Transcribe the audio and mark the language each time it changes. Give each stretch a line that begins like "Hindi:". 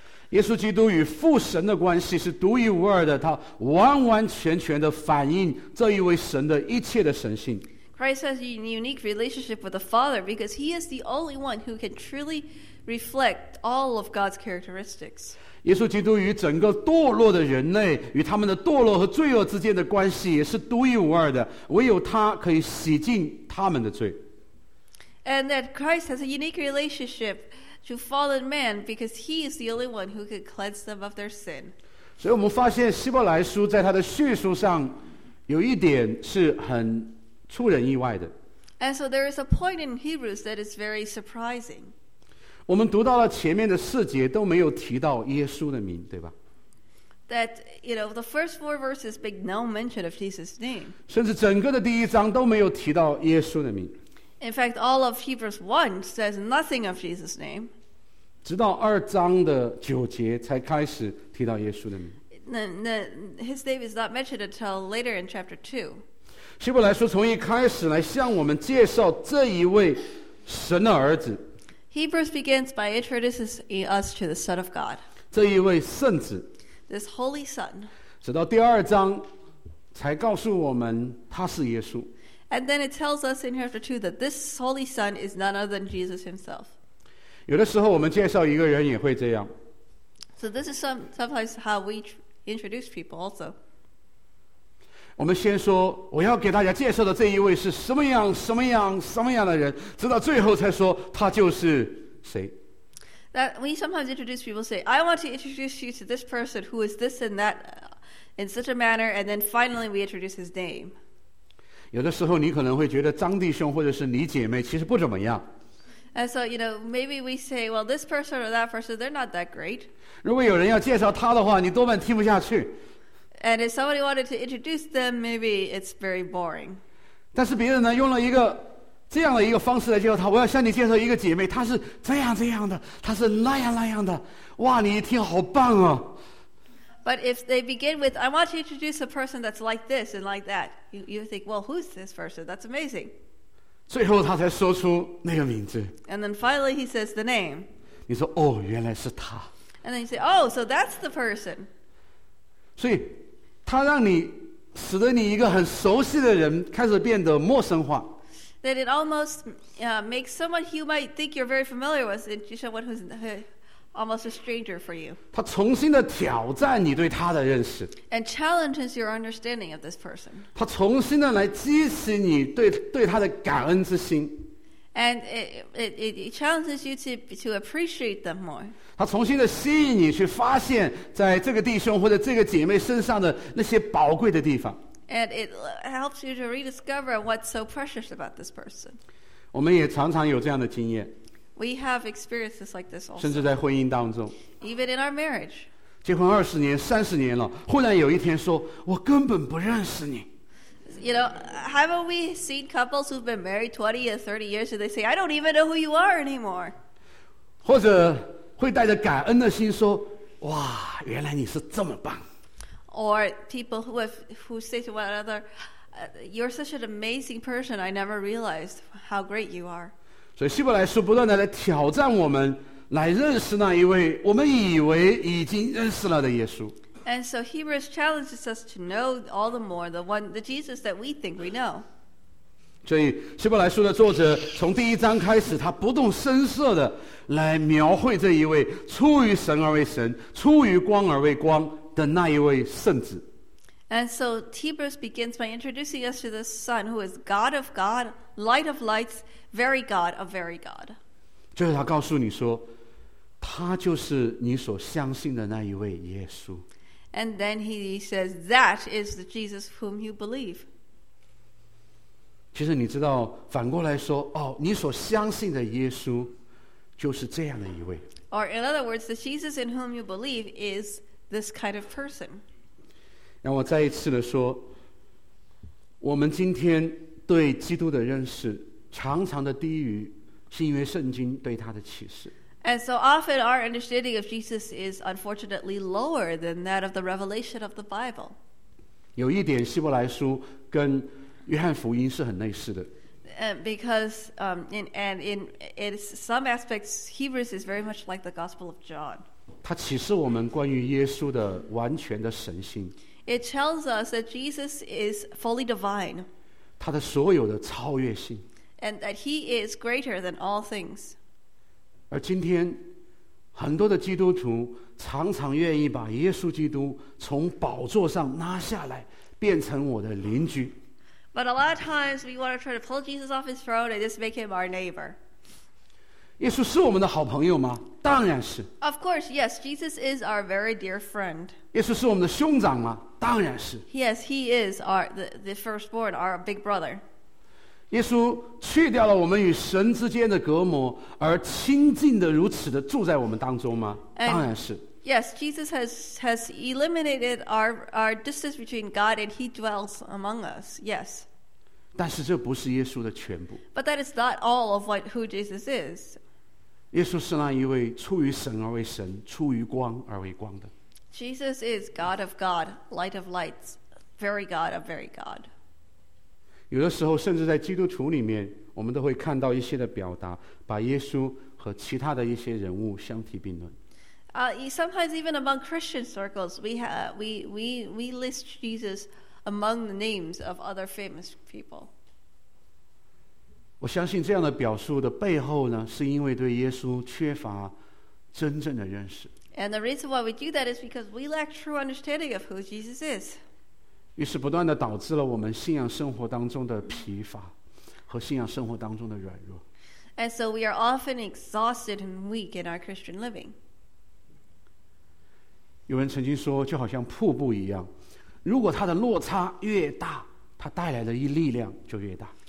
Chinese: 耶稣基督与父神的关系是独一无二的，他完完全全的反映这一位神的一切的神性。
English: Christ has a unique relationship with the Father because he is the only one who can truly reflect all of God's characteristics.
Chinese: 耶稣基督与整个堕落的人类与他们的堕落和罪恶之间的关系也是独一无二的，唯有他可以洗净他们的罪。
English: And that Christ has a unique relationship. To fallen man, because he is the only one who can cleanse them of their sin.
Chinese: 所以我们发现希伯来书在他的叙述上有一点是很出人意外的。
English: And so there is a point in Hebrews that is very surprising.
Chinese: 我们读到了前面的四节都没有提到耶稣的名，对吧？
English: That, you know, the first four verses make no mention of Jesus' name.
Chinese: 甚至整个的第一章都没有提到耶稣的名。
English: In fact, all of Hebrews 1 says nothing of Jesus' name.
Chinese: 直到二章的九节才开始提到耶稣的名。
English: His name is not mentioned until later in chapter 2.
Chinese: 希伯来书从一开始来向我们介绍这一位神的儿子。
English: Hebrews begins by introducing us to the Son of God.
Chinese: 这一位圣子。
English: This Holy Son.
Chinese: 直到第二章才告诉我们他是耶稣。
English: And then it tells us in chapter 2 that this Holy Son is none other than Jesus himself.
Chinese: 有的时候我们介绍一个人也会这样。
English: So this is sometimes how we introduce people also.
Chinese: 我们先说我要给大家介绍的这一位是什么样什么样什么样的人，直到最后才说他就是谁。
English: That we sometimes introduce people say, I want to introduce you to this person who is this and that in such a manner, and then finally we introduce his name.
Chinese: 有的时候你可能会觉得张弟兄或者是你姐妹其实不怎么样。
English: And so, you know, maybe we say, well, this person or that person, they're not that great.
Chinese: 如果有人要介绍他的话，你多半听不下去。
English: And if somebody wanted to introduce them, maybe it's very boring.
Chinese: 但是别人呢，用了一个这样的一个方式来介绍他，我要向你介绍一个姐妹，她是这样这样的，她是那样那样的，哇，你一听好棒啊。
English: But if they begin with, I want to introduce a person that's like this and like that, you think, well, who's this person? That's amazing.
Chinese: 最后他才说出那个名字。
English: And then finally he says the name.
Chinese: 你说，哦，原来是他。
English: And then you say, oh, so that's the person.
Chinese: 所以他让你，使得你一个很熟悉的人开始变得陌生化。
English: That it almost makes someone you might think you're very familiar with into someone who's almost a stranger for you.
Chinese: 他重新的挑战你对他的认识。
English: And challenges your understanding of this person.
Chinese: 他重新的来激起你对他的感恩之心。
English: And it challenges you to appreciate them more.
Chinese: 他重新的吸引你去发现在这个弟兄或者这个姐妹身上的那些宝贵的地方。
English: And it helps you to rediscover what's so precious about this person.
Chinese: 我们也常常有这样的经验。
English: We have experiences like this also.
Chinese: 甚至在婚姻当中。
English: Even in our marriage.
Chinese: 结婚二十年、三十年了，忽然有一天说，我根本不认识你。
English: You know, haven't we seen couples who've been married 20 or 30 years and they say, I don't even know who you are anymore?
Chinese: 或者会带着感恩的心说，哇，原来你是这么棒。
English: Or people who say to one another, you're such an amazing person, I never realized how great you are.
Chinese: 所以希伯来书不断地来挑战我们，来认识那一位我们以为已经认识了的耶稣。
English: And so Hebrews challenges us to know all the more the Jesus that we think we know.
Chinese: 所以希伯来书的作者从第一章开始，他不动声色地来描绘这一位出于神而为神，出于光而为光的那一位圣子。
English: And so Hebrews begins by introducing us to the Son who is God of God, Light of Lights, Very God of Very God.
Chinese: 就是他告诉你说，他就是你所相信的那一位耶稣。
English: And then he says, that is the Jesus whom you believe.
Chinese: 其实你知道，反过来说，哦，你所相信的耶稣就是这样的一位。
English: Or in other words, the Jesus in whom you believe is this kind of person.
Chinese: 让我再一次的说，我们今天对基督的认识常常的低于是因为圣经对他的启示。
English: And so often our understanding of Jesus is unfortunately lower than that of the revelation of the Bible.
Chinese: 有一点希伯来书跟约翰福音是很类似的。
English: Because in some aspects Hebrews is very much like the Gospel of John.
Chinese: 它启示我们关于耶稣的完全的神性。
English: It tells us that Jesus is fully divine.
Chinese: 他的所有的超越性。
English: And that he is greater than all things.
Chinese: 而今天很多的基督徒常常愿意把耶稣基督从宝座上拉下来，变成我的邻居。
English: But a lot of times we want to try to pull Jesus off his throne and just make him our neighbor.
Chinese: 耶稣是我们的好朋友吗？当然是。
English: Of course, yes, Jesus is our very dear friend.
Chinese: 耶稣是我们的兄长吗？当然是。
English: Yes, he is the firstborn, our big brother.
Chinese: 耶稣去掉了我们与神之间的隔膜，而亲近的如此的住在我们当中吗？当然是。
English: Yes, Jesus has eliminated our distance between God and he dwells among us, yes.
Chinese: 但是这不是耶稣的全部。
English: But that is not all of who Jesus is.
Chinese: 耶稣是那一位出于神而为神，出于光而为光的。
English: Jesus is God of God, Light of Lights, Very God of Very God.
Chinese: 有的时候，甚至在基督徒里面，我们都会看到一些的表达，把耶稣和其他的一些人物相提并论。
English: Sometimes even among Christian circles, we list Jesus among the names of other famous people.
Chinese: 我相信这样的表述的背后呢，是因为对耶稣缺乏真正的认识。
English: And the reason why we do that is because we lack true understanding of who Jesus is.
Chinese: 于是不断地导致了我们信仰生活当中的疲乏和信仰生活当中的软弱。
English: And so we are often exhausted and weak in our Christian living.
Chinese: 有人曾经说，就好像瀑布一样，如果它的落差越大，它带来的一力量就越大。